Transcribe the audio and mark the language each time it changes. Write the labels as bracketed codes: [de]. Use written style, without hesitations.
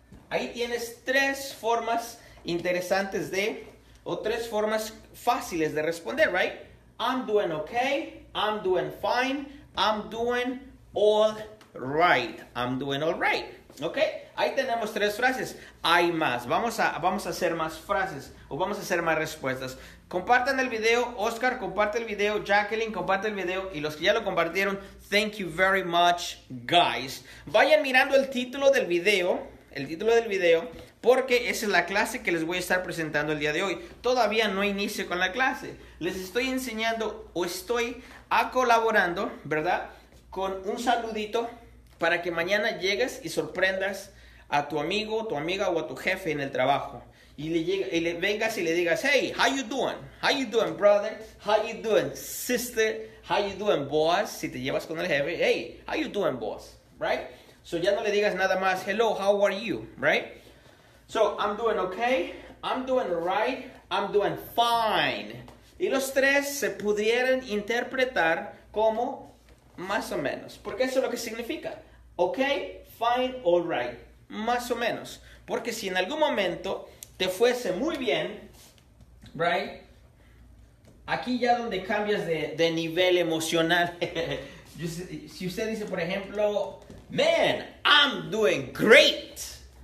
[es] Ahí tienes tres formas interesantes de, o tres formas fáciles de responder, right? [en] I'm doing okay, I'm doing fine, I'm doing all right. [es] ¿Ok? Ahí tenemos tres frases. Hay más. Vamos a hacer más frases o vamos a hacer más respuestas. Compartan el video, Oscar, comparte el video, Jacqueline, comparte el video y los que ya lo compartieron, [en] thank you very much, guys. [es] Vayan mirando el título del video, el título del video. Porque esa es la clase que les voy a estar presentando el día de hoy. Todavía no inicio con la clase. Les estoy enseñando o estoy colaborando, ¿verdad? Con un saludito para que mañana llegues y sorprendas a tu amigo, tu amiga o a tu jefe en el trabajo. Y le vengas y le digas, [en] hey, how you doing? How you doing, brother? How you doing, sister? How you doing, boss? [es] Si te llevas con el jefe, [en] hey, how you doing, boss? Right? [es] So ya no le digas nada más, [en] hello, how are you? Right? So, I'm doing okay, I'm doing right, I'm doing fine. [es] Y los tres se pudieran interpretar como más o menos, porque eso es lo que significa. [en] Okay, fine, all right, [es] más o menos. Porque si en algún momento te fuese muy bien, right, aquí ya donde cambias de nivel emocional, si usted dice, por ejemplo, [en] man, I'm doing great.